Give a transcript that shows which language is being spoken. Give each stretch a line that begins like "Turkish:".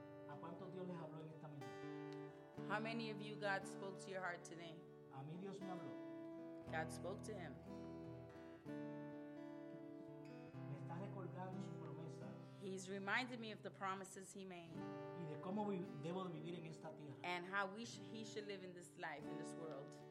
Spanish: ¿A cuánto Dios les habló en esta mañana?
English: How many of you God spoke to your heart today?
Spanish: A mí Dios me habló.
English: God spoke to him.
Spanish: Me está recordando su promesa.
English: He's reminded me of the promises he made.
Spanish: Y de cómo debo de vivir en esta tierra.
English: And how he should live in this life, in this world.